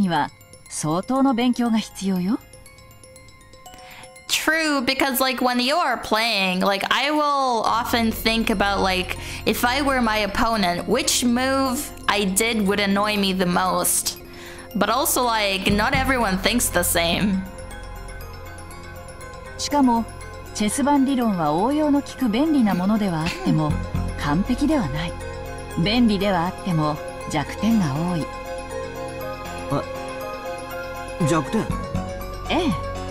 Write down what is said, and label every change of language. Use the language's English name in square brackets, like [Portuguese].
[Japanese] どんな相手の手の内も読めるみたいで楽しいじゃないですか。でもね、盲信しちゃダメよ。ゲーム理論は非常に奥深く複雑な学問なの。チェス盤思考はその上辺だけを私なりに解釈した考え方に過ぎない。ゲーマーキリエさん。バトラ君の想像するほどに相手の手の内を読み切るには相当の勉強が必要よ。 [English] True, because like when you are playing, like I will often think about like if I were my opponent, which move I did would annoy me the most. But also like not everyone thinks the same. [Japanese] しかもチェス盤理論は応用の効く便利なものではあっても完璧ではない。便利ではあっても弱点が多い。え、弱点？ええ。